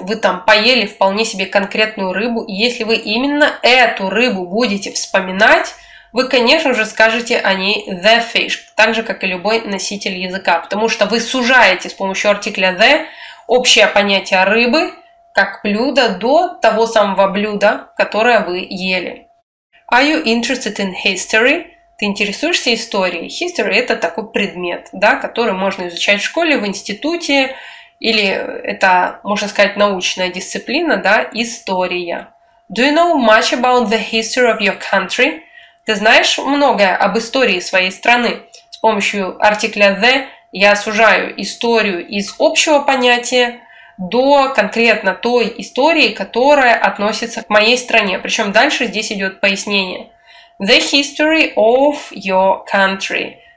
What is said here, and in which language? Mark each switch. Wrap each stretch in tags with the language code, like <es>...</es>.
<ru>Вы там поели вполне себе конкретную рыбу. И если вы именно эту рыбу будете вспоминать, вы, конечно же, скажете о ней the fish, так же, как и любой носитель языка, потому что вы сужаете с помощью артикля the общее понятие рыбы как блюда до того самого блюда, которое вы ели.</ru> <en>Are you interested in history?</en> <ru>Ты интересуешься историей? History – это такой предмет, да, который можно изучать в школе, в институте, или это, можно сказать, научная дисциплина, да, история.</ru> <en>Do you know much about the history of your country?</en> <ru>Ты знаешь многое об истории своей страны? С помощью артикля the я сужаю историю из общего понятия до конкретно той истории, которая относится к моей стране. Причем дальше здесь идет пояснение.</ru> <en>The history of your country.</en>